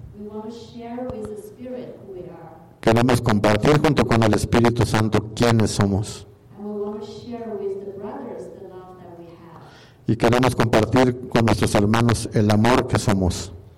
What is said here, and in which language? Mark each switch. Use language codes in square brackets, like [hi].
[en] We want to share with the Spirit who we are. [es] Queremos compartir junto con el Espíritu Santo quiénes somos. [en] And we want to share with the brothers the love that we have. [es] Y queremos compartir con nuestros hermanos el amor que somos.